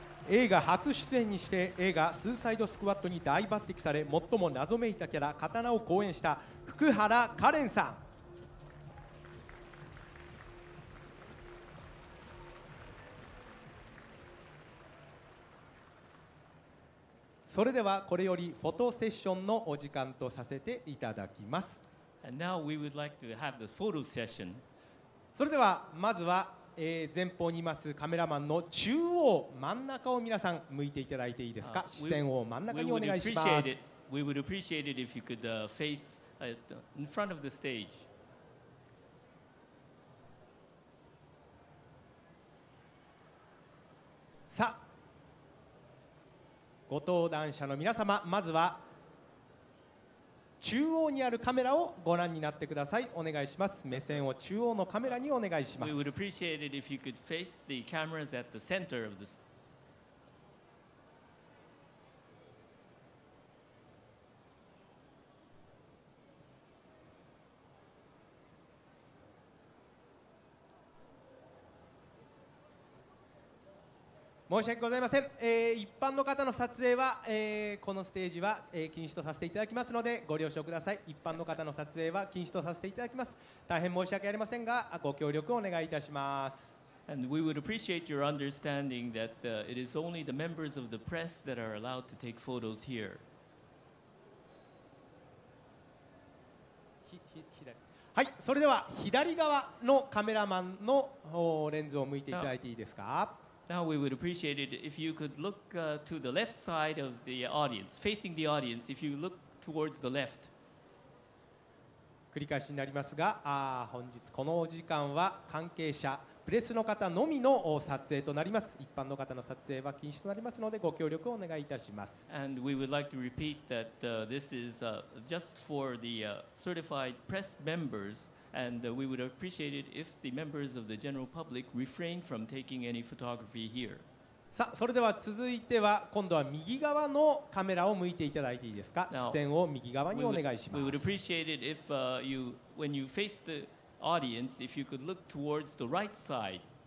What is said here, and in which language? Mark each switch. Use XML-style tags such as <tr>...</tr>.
<ja>映画初出演にして映画スーサイドスクワットに大抜擢され、最も謎めいたキャラ刀を好演した福原可憐さん。それではこれよりフォトセッションのお時間とさせていただきます。</ja> <en>And now we would like to have the photo session.</en> <ja>それではまずは前方にいますカメラマンの中央真ん中を皆さん向いていただいていいですか。視線を真ん中にお願いします。</ja> <en>We would appreciate it if you could face in front of the stage.</en> <ja>さあご登壇者の皆様、まずは中央にあるカメラをご覧になってください。お願いします。目線を中央のカメラにお願いします。</ja> <en>We would appreciate it if you could face the cameras at the center of this.</en> <ja>申し訳ございません、一般の方の撮影は、このステージは、禁止とさせていただきますのでご了承ください。一般の方の撮影は禁止とさせていただきます。大変申し訳ありませんがご協力をお願いいたします。</ja> <en>And we would appreciate your understanding that it is only the members of the press that are allowed to take photos here.</en> <ja>はい、それでは左側のカメラマンのレンズを向いていただいていいですか。</ja> <en>Now we would appreciate it if you could look to the left side of the audience, facing the audience, if you look towards the left.</en> <ja>繰り返しになりますが、本日このお時間は関係者、プレスの方のみの撮影となります。一般の方の撮影は禁止となりますのでご協力をお願いいたします。</ja> <en>And we would like to repeat that this is just for the certified press members. And we would appreciate it if the members of the general public refrain from taking any photography here.</en> <ja>さ、それでは続いては今度は右側のカメラを向いていただいていいですか。視線を右側にお願いします。</ja> <en>We would appreciate it if you, when you face the audience, if you could look towards the right side.</en>